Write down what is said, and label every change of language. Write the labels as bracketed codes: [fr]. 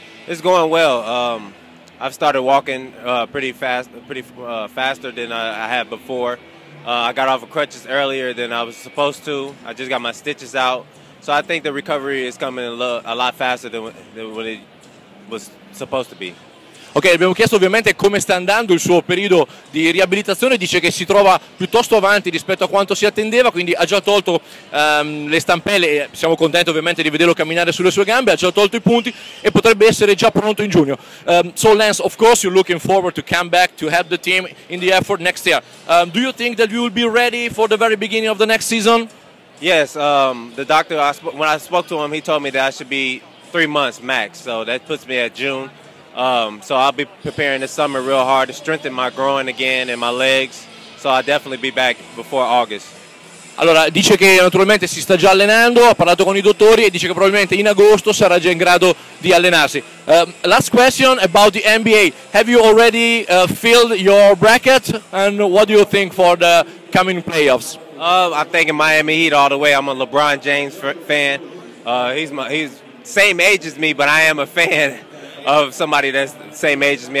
[en] It's going well. I've started walking faster than I had before. I got off of crutches earlier than I was supposed to. I just got my stitches out. So I think the recovery is coming a lot faster than what it was supposed to be. [it] Ok, abbiamo chiesto ovviamente come sta andando il suo periodo di riabilitazione. Dice che si trova piuttosto avanti rispetto a quanto si attendeva, quindi ha già tolto le stampelle. Siamo contenti ovviamente di vederlo camminare sulle sue gambe. Ha già tolto I punti e potrebbe essere già pronto in giugno. [en] So Lance, of course you're looking forward to come back to help the team in the effort next year. Do you think that you will be ready for the very beginning of the next season? Yes, the doctor, when I spoke to him, he told me that I should be 3 months max. So that puts me at June. So I'll be preparing this summer real hard to strengthen my groin again and my legs, so I'll definitely be back before August. [it] Allora, dice che naturalmente si sta già allenando, ha parlato con I dottori e dice che probabilmente in agosto sarà già in grado di allenarsi. [en] Last question about the NBA. Have you already filled your bracket, and what do you think for the coming playoffs? I'm thinking Miami Heat all the way. I'm a LeBron James fan. He's same age as me, but I am a fan of somebody that's the same age as me.